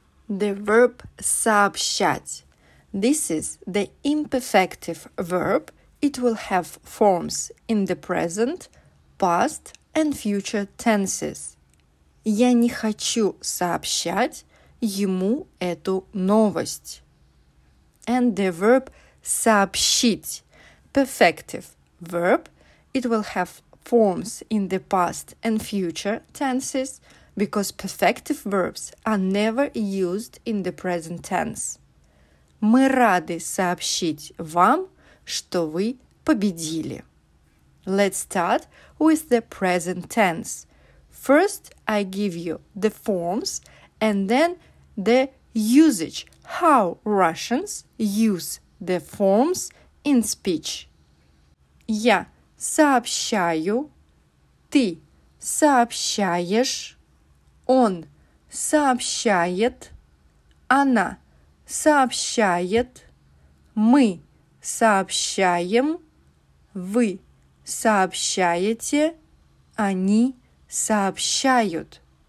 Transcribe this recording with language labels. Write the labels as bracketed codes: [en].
[en] The verb сообщать. This is the imperfective verb. It will have forms in the present, past, and future tenses. [ru] Я не хочу сообщать ему эту новость. [en] And the verb сообщить, perfective verb, it will have forms in the past and future tenses because perfective verbs are never used in the present tense. [ru] Мы рады сообщить вам, что вы победили. [en] Let's start with the present tense. First, I give you the forms and then the usage, how Russians use the forms in speech. [ru] Я сообщаю, ты сообщаешь, он сообщает, она сообщает, мы сообщаем, вы сообщаете, они сообщают.